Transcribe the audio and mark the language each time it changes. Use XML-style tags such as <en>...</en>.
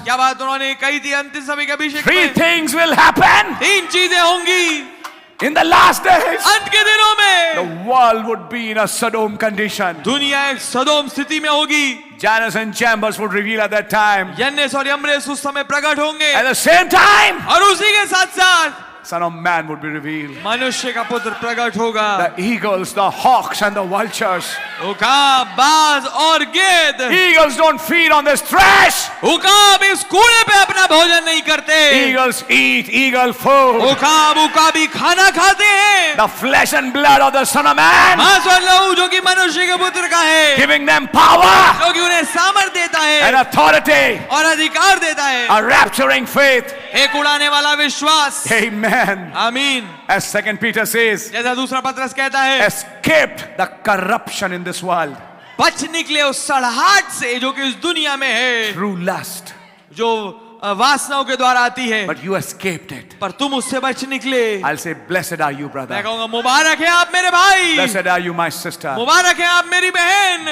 <hi>क्या बात उन्होंने कही थी अंतिम समय के अभिषेक में?</hi> <en>Three things will happen.</en> <hi>तीन चीजें होंगी।</hi> <en>In the last days,</en> <hi>अंत के दिनों में,</hi> <en>the world would be in a Sodom condition.</en> <hi>दुनिया एक सदोम स्थिति में होगी।</hi> <en>Jannes and Jambres would reveal at that time.</en> <hi>यन्नेस और यम्ब्रेस उस समय प्रकट होंगे।</hi> <en>At the same time,</en> <hi>और उसी के साथ साथ,</hi> <en>Son of Man would be revealed.</en> <hi>मनुष्य का पुत्र प्रकट होगा।</hi> <en>The eagles, the hawks, and the vultures.</en> <hi>उकाब, बाज और गिद्ध।</hi> <en>Eagles don't feed on this trash.</en> <hi>उकाब, इस कूड़े पे अपना भोजन नहीं करते.</hi> <en>Eagles eat eagle food.</en> <hi>उकाब उकाब भी खाना खाते हैं.</hi> <en>The flesh and blood of the Son of Man.</en> <hi>मांस और लहू जो कि मनुष्य के पुत्र का है.</hi> <en>Giving them power.</en> <hi>जो कि उन्हें सामर्थ्य देता है.</hi> <en>And authority.</en> <hi>और अधिकार देता है.</hi> <en>A rapturing faith.</en> <hi>एक उड़ाने वाला विश्वास. Amen. आमीन.</hi> <en>As Second Peter says.</en> <hi>जैसा दूसरा पत्रस कहता है.</hi> <en>Escaped the corruption in this world.</en> <hi>बच निकले उस सड़हाट से जो कि इस दुनिया में है.</hi> <en>through lust</en> <hi>जो वासनाओं के द्वारा आती है.</hi> <en>but you escaped it</en> <hi>पर तुम उससे बच निकले.</hi> <en>I say blessed are you brother.</en> <hi>मैं कहूंगा मुबारक है आप मेरे भाई.</hi> <en>Blessed are you my sister.</en> <hi>मुबारक है आप मेरी बहन.</hi>